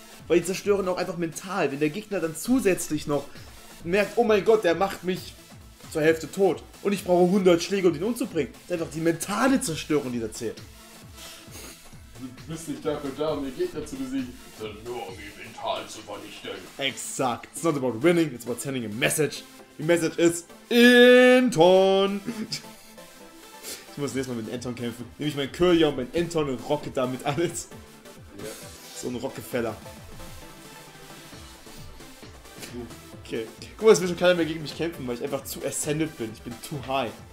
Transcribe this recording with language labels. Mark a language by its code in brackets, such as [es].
[de] weil die zerstören auch einfach mental. Wenn der Gegner dann zusätzlich noch merkt, oh mein Gott, der macht mich zur Hälfte tot und ich brauche 100 Schläge, um ihn umzubringen, das ist einfach die mentale Zerstörung, die da zählt. Du bist nicht dafür da, um den Gegner zu besiegen, sondern nur um ihn mental zu vernichten. Exakt. [en] It's not about winning, it's about sending a message. [de] Die Message ist Anton. Ich muss nächstes Mal mit Anton kämpfen. Nehme ich meinen Kyrja und meinen Anton und rocke damit alles. Yeah. So ein Rockefeller. Okay. Guck mal, es wird schon keiner mehr gegen mich kämpfen, weil ich einfach zu ascended bin. Ich bin [en] too high.